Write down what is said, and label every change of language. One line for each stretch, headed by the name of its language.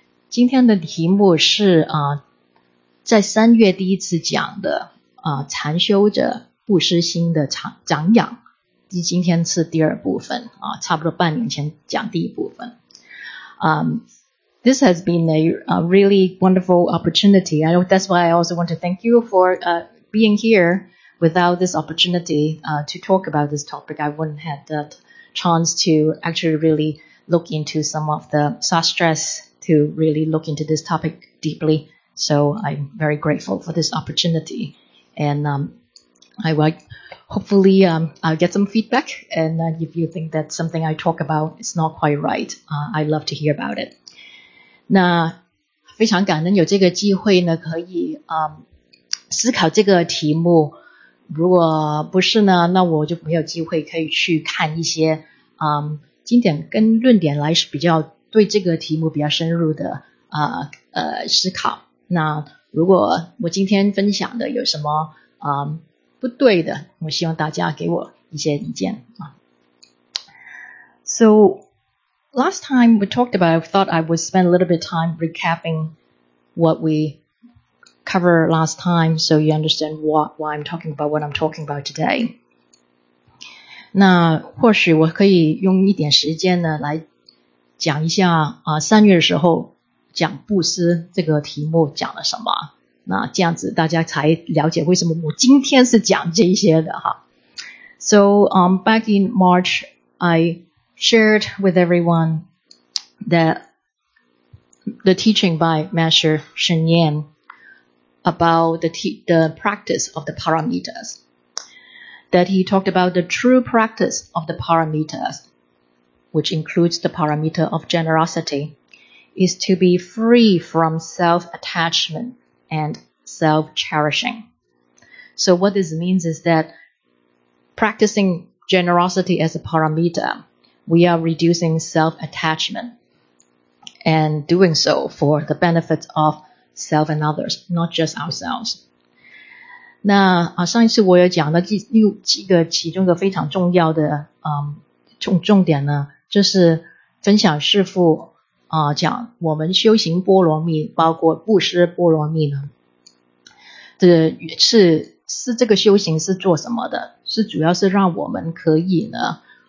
Chinese: 今天的题目是在三月第一次讲的禅修者不失心的长养。今天是第二部分差不多半年前讲第一部分。
English: This has been a really wonderful opportunity. That's why I also want to thank you for being here. Without this opportunity to talk about this topic, I wouldn't have the chance to actually really look into some of the sastras to really look into this topic deeply. So I'm very grateful for this opportunity. And I will hopefully I'll get some feedback. And if you think that something I talk about is not quite right, I'd love to hear about it.
Chinese: 那非常感恩有这个机会呢可以思考这个题目。如果不是呢那我就没有机会可以去看一些经典跟论点来是比较对这个题目比较深入的思考。那如果我今天分享的有什么不对的我希望大家给我一些意见。
English: So,Last time we talked about, I thought I would spend a little bit of time recapping what we covered last time so you understand why I'm talking about what I'm talking about today.
Chinese: 那或许我可以用一点时间呢来讲一下三月的时候讲布施这个题目讲了什么。那这样子大家才了解为什么我今天是讲这些的哈。
English: So, back in March, I... shared with everyone that the teaching by Master Shen Yan about the practice of the paramitas, that he talked about the true practice of the paramitas, which includes the paramita of generosity, is to be free from self-attachment and self-cherishing. So what this means is that practicing generosity as a paramita,We are reducing self-attachment and doing so for the benefits of self and others, not just ourselves.
Chinese: 那上一次我有讲的几个其中一个非常重要的重点呢就是分享师父讲我们修行波罗蜜包括布施波罗蜜呢是这个修行是做什么的是主要是让我们可以呢